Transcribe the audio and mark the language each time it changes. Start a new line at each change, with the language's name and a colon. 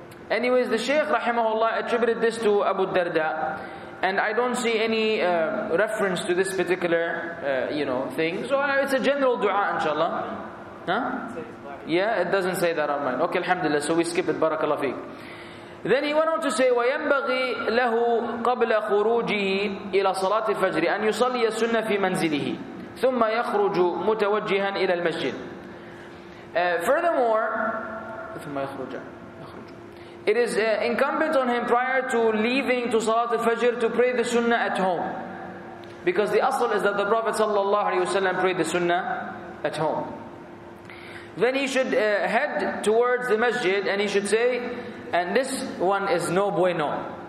English: Anyways, the Shaykh rahimahullah attributed this to Abu Darda, and I don't see any reference to this particular thing. So it's a general dua, inshallah. Huh? Yeah, it doesn't say that on mine. Okay, alhamdulillah, so we skip it. Barakallahu feek. Then he went on to say,
Arabic: وَيَنْبَغِي لَهُ قَبْلَ خُرُوجِهِ إِلَى صَلَاةِ الْفَجْرِ أَنْ يُصَلِّيَ السُنَّةِ فِي مَنْزِلِهِ ثُمَّ يَخْرُجُ مُتَوَجِّهًا إِلَى الْمَسْجِدِ.
English: Furthermore,
Arabic: ثُمَّ يَخْرُجَ.
English: It is incumbent on him prior to leaving to Salat al-Fajr to pray the Sunnah at home. Because the asl is that the Prophet ﷺ prayed the Sunnah at home. Then he should head towards the Masjid and he should say, and this one is no bueno.